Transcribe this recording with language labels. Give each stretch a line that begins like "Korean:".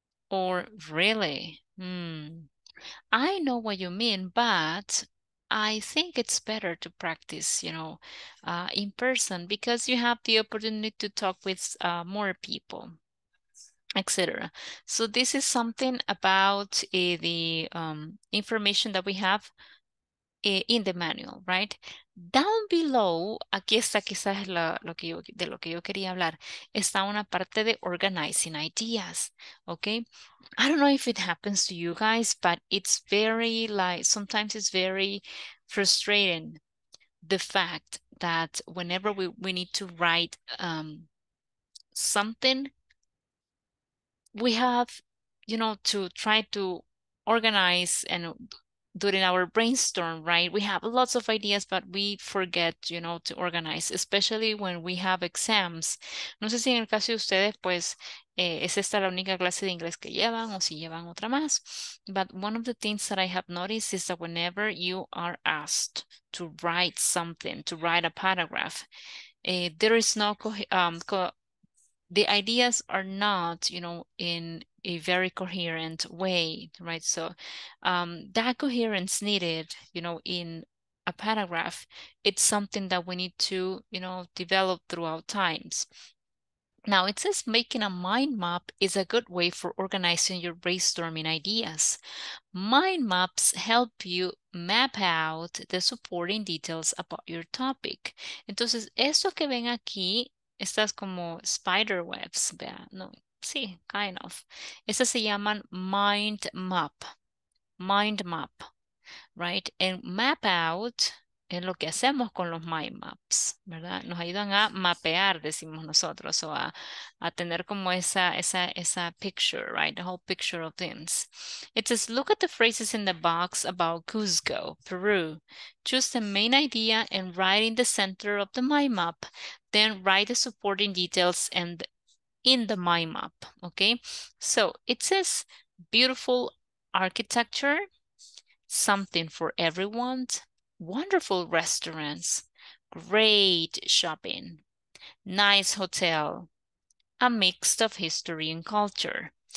English: Or really? I know what you mean, but I think it's better to practice, you know, in person, because you have the opportunity to talk with more people, etc. So this is something about the information that we have in the manual, right? Down below,
Spanish: aquí está quizás lo que yo quería hablar, está una parte de
English: organizing ideas,
Spanish: okay?
English: I don't know if it happens to you guys, but it's very, like, sometimes it's very frustrating, the fact that whenever we need to write something, we have, you know, to try to organize and during our brainstorm, right? We have lots of ideas, but we forget, you know, to organize, especially when we have exams.
Spanish: No sé si en el caso de ustedes, pues, es esta la única clase de inglés que llevan o si llevan otra más.
English: But one of the things that I have noticed is that whenever you are asked to write something, to write a paragraph, there is no, the ideas are not, you know, in a very coherent way, right? So that coherence needed, you know, in a paragraph, it's something that we need to, you know, develop throughout times. Now it says making a mind map is a good way for organizing your brainstorming ideas. Mind maps help you map out the supporting details about your topic.
Spanish: Entonces, eso que ven aquí, estas como
English: spider webs,
Spanish: vea, no, sí,
English: kind of.
Spanish: Esas se llaman mind map,
English: right? And map out
Spanish: es lo que hacemos con los mind maps, ¿verdad? Nos ayudan a mapear, decimos nosotros, o a tener como esa
English: picture, right? The whole picture of things. It says, look at the phrases in the box about Cusco, Peru. Choose the main idea and write in the center of the mind map. Then write the supporting details and in the mind map, okay? So it says beautiful architecture, something for everyone, wonderful restaurants, great shopping, nice hotel, a mix of history and culture.